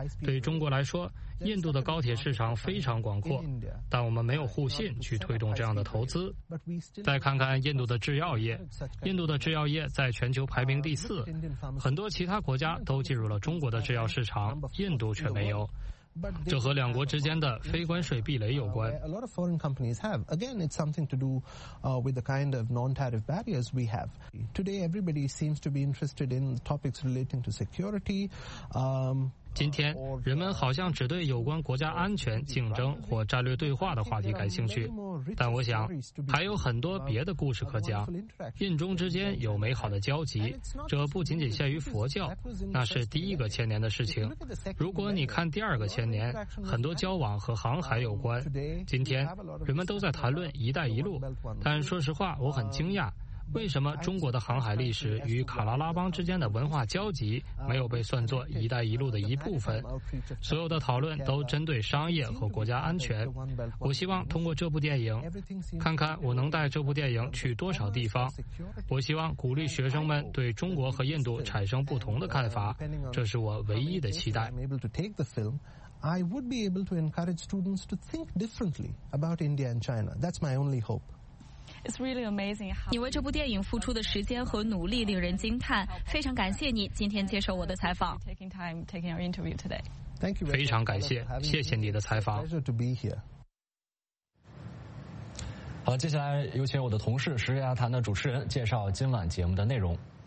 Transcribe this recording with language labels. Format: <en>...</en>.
<zh>对中国来说，印度的高铁市场非常广阔，但我们没有互信去推动这样的投资。再看看印度的制药业，印度的制药业在全球排名第4，很多其他国家都进入了中国的制药市场，印度却没有。这和两国之间的非关税壁垒有关。</zh> <en>A lot of foreign companies have. Again, it's something to do with the kind of non-tariff barriers we have. Today, everybody seems to be interested in topics relating to security.</en> <zh>今天，人们好像只对有关国家安全、竞争或战略对话的话题感兴趣。但我想，还有很多别的故事可讲。印中之间有美好的交集，这不仅仅限于佛教，那是第一个千年的事情。如果你看第二个千年，很多交往和航海有关。今天，人们都在谈论“一带一路”，但说实话，我很惊讶。为什么中国的航海历史与卡拉拉邦之间的文化交集没有被算作一带一路的一部分？所有的讨论都针对商业和国家安全。我希望通过这部电影，看看我能带这部电影去多少地方。我希望鼓励学生们对中国和印度产生不同的看法，这是我唯一的期待。</zh> <en>I would be able to encourage students to think differently about India and China. That's my only hope. It's really amazing.</en> <zh>你为这部电影付出的时间和努力令人惊叹，非常感谢你今天接受我的采访。</zh> <en>Taking time, taking our interview today. Thank you.</en> <zh>非常感谢，谢谢你的采访。</zh> <en>Pleasure to be here.</en> <zh>好，接下来有请我的同事时事亚谈的主持人介绍今晚节目的内容。</zh>